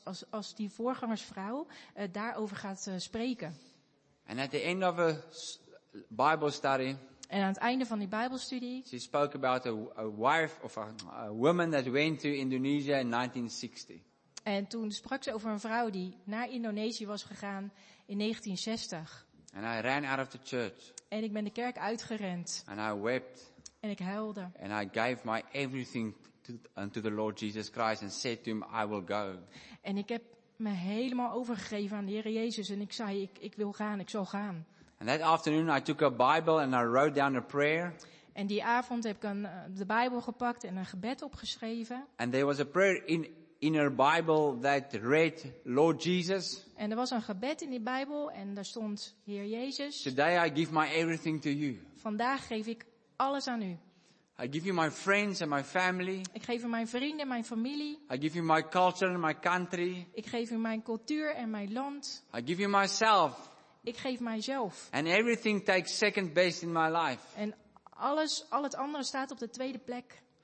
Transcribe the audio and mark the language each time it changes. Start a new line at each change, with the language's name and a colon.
Dutch: Als die voorgangersvrouw daarover gaat spreken.
English: And at the end of a Bible study.
Dutch: En aan het einde van die Bijbelstudie.
English: She spoke about a wife of a woman that went to Indonesia in 1960.
Dutch: En toen sprak ze over een vrouw die naar Indonesië was gegaan in 1960.
English: And I ran out of the church.
Dutch: En ik ben de kerk uitgerend.
English: And I wept.
Dutch: En ik huilde.
English: And I gave my everything unto the Lord Jesus Christ and said to him, I will go.
Dutch: En ik heb me helemaal overgegeven aan de Heer Jezus en ik zei, ik wil gaan, ik zal gaan.
English: And that afternoon I took a Bible and I wrote down a prayer.
Dutch: En die avond heb ik de Bijbel gepakt en een gebed opgeschreven.
English: And there was a prayer in her Bible that read, Lord Jesus.
Dutch: En er was een gebed in die Bijbel en daar stond, Heer Jezus.
English: Today I give my everything to you.
Dutch: Vandaag geef ik alles aan u.
English: I give you my friends and my family.
Dutch: Ik geef u mijn vrienden en mijn familie.
English: I give you my culture and my country.
Dutch: Ik geef u mijn cultuur en mijn land.
English: I give you myself.
Dutch: Ik geef mijzelf.
English: And everything takes second best in my life.
Dutch: En alles, al het andere staat op de tweede plek.